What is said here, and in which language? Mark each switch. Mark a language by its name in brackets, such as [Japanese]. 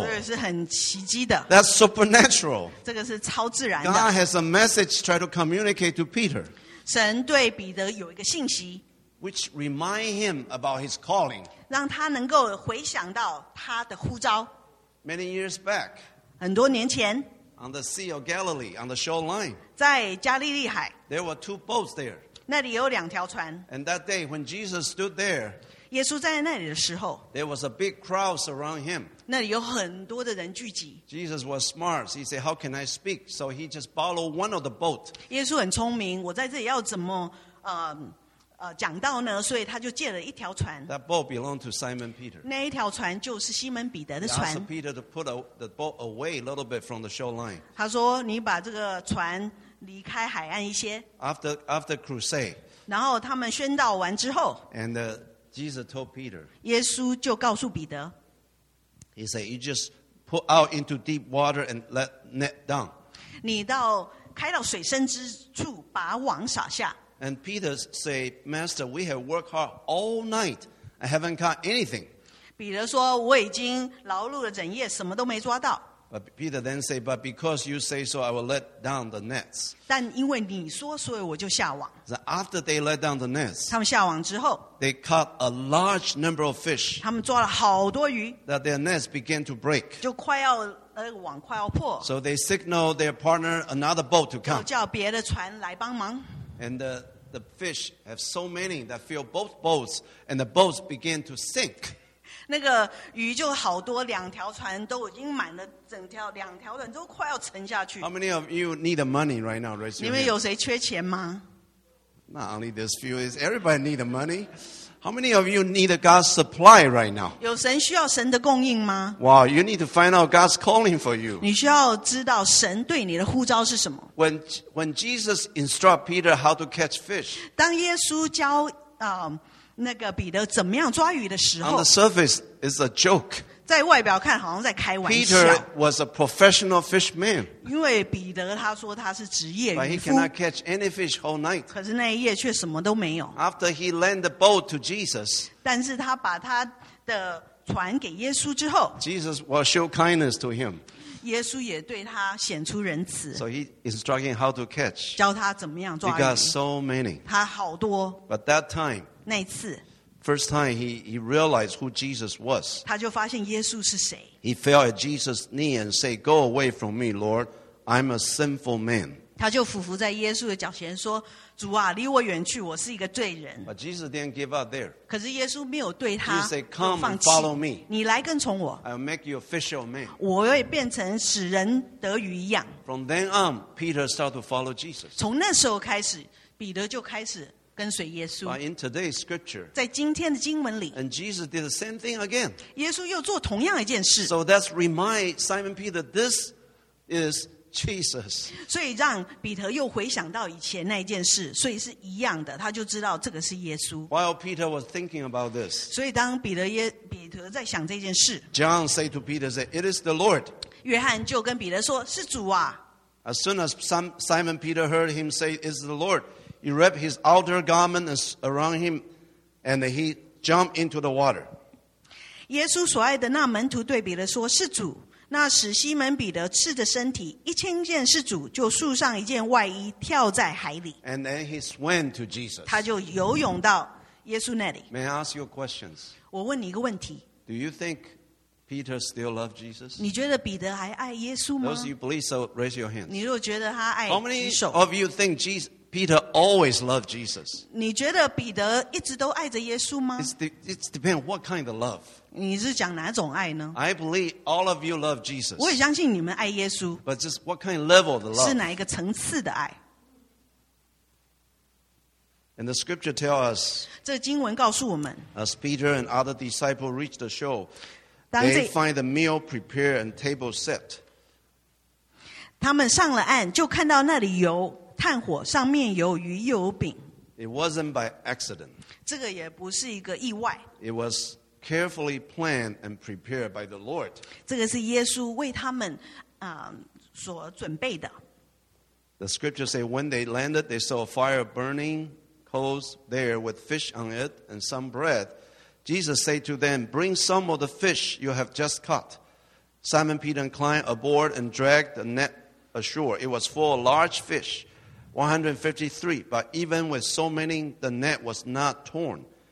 [Chinese] 所以是很奇迹的。 [English] That's supernatural. [Chinese] 这个是超自然的。 [English] God has a message try to communicate to Peter. [Chinese] 神对彼得有一个信息。 [English] Which remind him about his calling. [Chinese] 让他能够回想到他的呼召。 [English] Many years back. [Chinese] 很多年前。 [English] On the Sea of Galilee, on the shoreline. [Chinese] 在加利利海。 [English] There were two boats there. [Chinese] 那里有两条船。 [English] And that day, when Jesus stood there, [Chinese] 耶稣在那里的时候。 [English] There was a big crowd around him. [Chinese] 那里有很多的人聚集。 [English] Jesus was smart. He said, how can I speak? So he just borrowed one of the boats. [Chinese] 耶稣很聪明，我在这里要怎么讲到呢？所以他就借了一条船。 [English] That boat belonged to Simon Peter. [Chinese] 那一条船就是西门彼得的船。 [English] He asked Peter to put the boat away a little bit from the shoreline. [Chinese] 他说：“你把这个船离开海岸一些。” [English] After crusade. [Chinese] 然后他们宣道完之后。 [English] And Jesus told Peter. [Chinese] 耶稣就告诉彼得。 [English] He said, "You just put out into deep water and let net down." [Chinese] 你到开到水深之处，把网撒下。 [English] And Peter said, Master, we have worked hard all night. I haven't caught anything. [Chinese] 彼得说我已经劳碌了整夜什么都没抓到。 [English] But Peter then said, but because you say so, I will let down the nets. [Chinese] 但因为你说所以我就下网。 [English] So after they let down the nets, [Chinese] 他们下网之后, [English] they caught a large number of fish. [Chinese] 他们抓了好多鱼, [English] that their nets began to break. [Chinese] 就快要网快要破。 [English] So they signaled their partner another boat to come. [Chinese] 就叫别的船来帮忙。 [English] And the fish have so many that fill both boats, and the boats begin to sink. [Chinese] 那个鱼就好多，两条船都已经满了，整条两条船都快要沉下去。 [English] How many of you need the money right now, raise your hand? [Chinese] 你们有谁缺钱吗？ [English] Not only this few, is everybody need the money? How many of you need God's supply right now? [Chinese] 有神需要神的供应吗？ [English] Wow, you need to find out God's calling for you. [Chinese] 你需要知道神对你的呼召是什么。 [English] When Jesus instruct Peter how to catch fish, [Chinese] 当耶稣教那个彼得怎么样抓鱼的时候， [English] on the surface, it's a joke. [Chinese] 在外表看好像在开玩笑。 [English] Peter was a professional fishman. [Chinese] 因为彼得他说他是职业渔夫。 [English] But he cannot catch any fish whole night. [Chinese] 可是那一夜却什么都没有。 [English] After he lent the boat to Jesus. [Chinese] 但是他把他的传给耶稣之后， [English] Jesus will show kindness to him. [Chinese] 耶稣也对他显出仁慈。 [English] So he instructing how to catch. [Chinese] 教他怎么样抓鱼。 [English] He got so many. [Chinese] 他好多。 [English] But that time. [Chinese] 那次。 [English] First time he realized who Jesus was. [Chinese] 他就发现耶稣是谁。 [English] He fell at Jesus' knee and said, "Go away from me, Lord. I'm a sinful man." [Chinese] 他就俯伏在耶稣的脚前说，主啊，离我远去，我是一个罪人。 [English] But Jesus didn't give up there. [Chinese] 可是耶稣没有对他放弃。 [English] He said, "Come and follow me." [Chinese] 你来跟从我。 [English] I'll make you a fisherman. [Chinese] 我会变成使人得鱼一样。 [English] From then on, Peter started to follow Jesus. [Chinese] 从那时候开始，彼得就开始跟随耶稣。 [English] But in today's scripture, [Chinese] 在今天的经文里， [English] and Jesus did the same thing again. [Chinese] 耶稣又做同样一件事。 [English] So that's remind Simon Peter, this is Jesus. [Chinese] 所以让彼得又回想到以前那件事，所以是一样的，他就知道这个是耶稣。 [English] While Peter was thinking about this, [Chinese] 所以当彼得在想这件事， [English] John said to Peter, "It is the Lord." [Chinese] 约翰就跟彼得说，是主啊。 [English] As soon as Simon Peter heard him say, "It's the Lord." He wrapped his outer garment around him and he jumped into the water. [Chinese] 耶稣所爱的那门徒对彼得说，是主。那使西门彼得赤着身体，一听见是主，就束上一件外衣，跳在海里。 [English] And then he swam to Jesus. [Chinese] 他就游泳到耶稣那里。 [English] May I ask you questions? [Chinese] 我问你一个问题。 [English] Do you think Peter still loves Jesus? [Chinese] 你觉得彼得还爱耶稣吗？ [English] Those of you believe so, raise your hands. [Chinese] 你若觉得他爱， [English] How many of you think Jesus... Peter always loved Jesus. [Chinese] 你觉得彼得一直都爱着耶稣吗？ [English] It depends what kind of love. [Chinese] 你是讲哪种爱呢？ [English] I believe all of you love Jesus. [Chinese] 我也相信你们爱耶稣。 [English] But just what kind of level of love? [Chinese] 是哪一个层次的爱？ [English] And the scripture tells us, [Chinese] 这经文告诉我们， [English] as Peter and other disciples reached the shore, they find the meal prepared and table set. [Chinese] 他们上了岸，就看到那里有炭火，上面有鱼又有饼。 [English] It wasn't by accident. [Chinese] 这个也不是一个意外。 [English] It was carefully planned and prepared by the Lord. [Chinese] 这个是耶稣为他们所准备的。 [English] The scripture say when they landed, they saw a fire burning coals there with fish on it and some bread. Jesus said to them, "Bring some of the fish you have just caught." Simon Peter climbed aboard and dragged the net ashore. It was full of large fish. 153, but even with so many, the net was not torn.